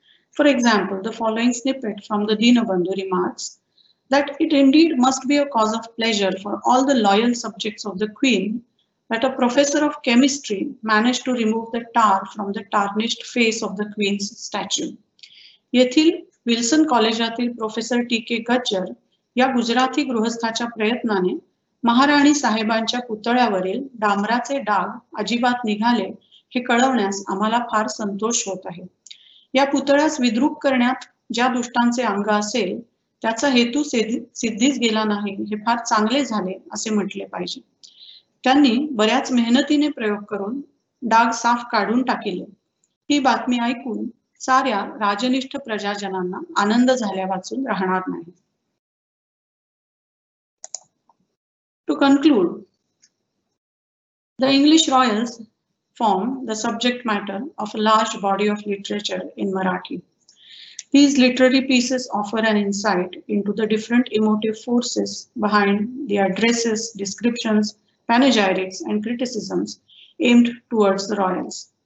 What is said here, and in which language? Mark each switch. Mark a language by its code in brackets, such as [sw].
[en] For example, the following snippet from the Dinabandhu remarks that it indeed must be a cause of pleasure for all the loyal subjects of the Queen that a professor of chemistry managed to remove the tar from the tarnished face of the Queen's statue. [mr] Yethil Wilson College atil Professor T.K. Gajjar या गुजराती गृहस्थाच्या प्रयत्नाने महाराणी साहेबांच्या पुतळ्यावरील डांबराचे डाग अजिबात निघाले हे कळवण्यास आम्हाला फार संतोष होत आहे. या पुतळ्यास विद्रूप करण्यात ज्या दुष्टांचे अंग असेल त्याचा हेतू सिद्धीस गेला नाही हे फार चांगले झाले असे म्हटले पाहिजे. त्यांनी बऱ्याच मेहनतीने प्रयोग करून डाग साफ काढून टाकले. ही बातमी ऐकून साऱ्या राजनिष्ठ प्रजाजनांना आनंद झाल्यावाचून राहणार नाही. [en] To conclude, the English royals form the subject matter of a large body of literature in Marathi. These literary pieces offer an insight into the different emotive forces behind the addresses, descriptions, panegyrics, and criticisms aimed towards the royals.